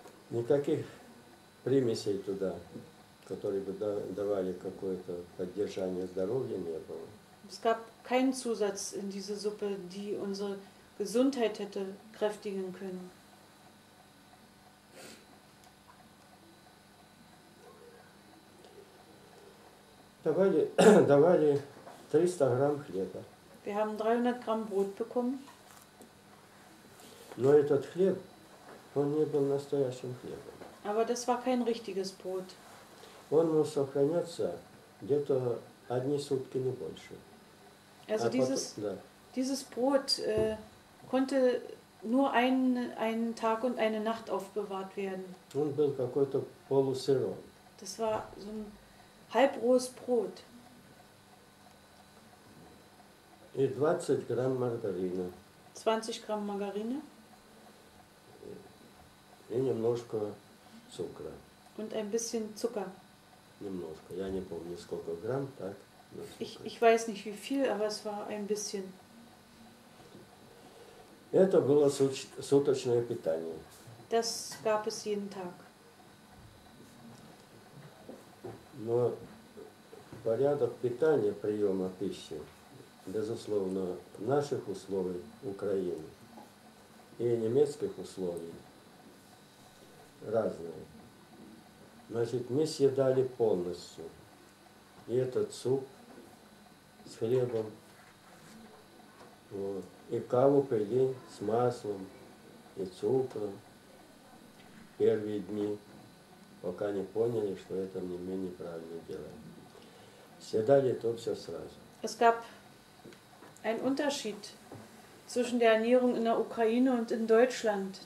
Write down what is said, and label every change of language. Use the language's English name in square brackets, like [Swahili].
[Russian] Никаких примесей туда, которые бы давали какое-то поддержание здоровья, не было. [German] Es gab keinen Zusatz in diese Suppe, die unsere Gesundheit hätte kräftigen können. [Russian] Давали 300 грамм хлеба. [German] Wir haben 300 грамм Brot bekommen. [Russian] Но этот хлеб, он не был настоящим хлебом. [German] Aber das war kein richtiges Brot. [Russian] Он мог сохраняться где-то одни сутки, не больше. [German] Also dieses Brot konnte nur einen Tag und eine Nacht aufbewahrt werden. [Russian] Он был какой-то полусырой. [German] Das war so ein halbrohes Brot. Und 20 Gramm Margarine. 20 Gramm Margarine. Und ein bisschen Zucker. Und ein bisschen Zucker. [Russian] Немножко. Я не помню, сколько грамм, так. [German] Ich weiß nicht wie viel, aber es war ein bisschen. [Russian] Это было суточное питание. [German] Das gab es jeden Tag. [Russian] Но порядок питания, приема пищи безусловно, наших условий [Ukrainian] України і німецьких условій різні. Значить, ми з'їдали повністю і цей суп з хлібом, і каву пили з маслом, і цукром перші дні, поки не зрозуміли, що це ми неправильно робимо. З'їдали то все одразу. [German] Ein Unterschied zwischen der Ernährung in der Ukraine und in Deutschland.